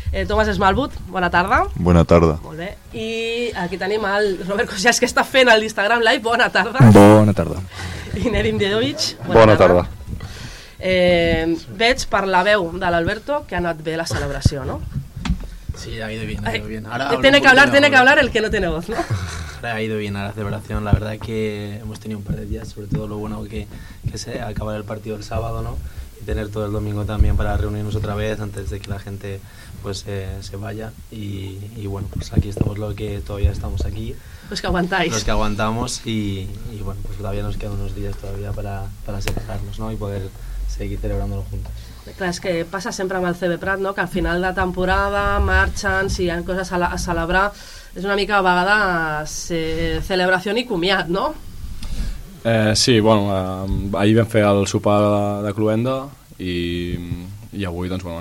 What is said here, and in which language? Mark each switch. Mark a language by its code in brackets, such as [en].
[ca] Tomàs Smallwood, bona tarda. Bona tarda. Molt bé. I aquí tenim el Robert Cosias, que està fent l'Instagram Live, bona tarda. Bona tarda. I Nedim Djedovic, bona tarda. Veig per la veu de l'Alberto que ha anat bé la celebració, no? [es] Sí, ha ido bien, ha ido bien. Ahora tiene que hablar, tiene que hablar el que no tiene voz, ¿no? Ha ido bien a la celebración. La verdad es que hemos tenido un par de días, sobre todo lo bueno que se acaba el partido el sábado, ¿no? Y tener todo el domingo también para reunirnos otra vez antes de que la gente pues se vaya. Y bueno, pues aquí estamos, lo que todavía estamos aquí. Los que aguantáis. Los que aguantamos y bueno, pues todavía nos quedan unos días todavía para separarnos, ¿no? Y poder seguir celebrándolo juntos. [ca] Clar, és que passa sempre amb el CB Prat, no? Que al final de temporada marxen, si hi ha coses a celebrar, és una mica a vegades celebració i comiat, no? Sí, bueno, ahir vam fer el sopar de Cluenda i avui, doncs, bueno,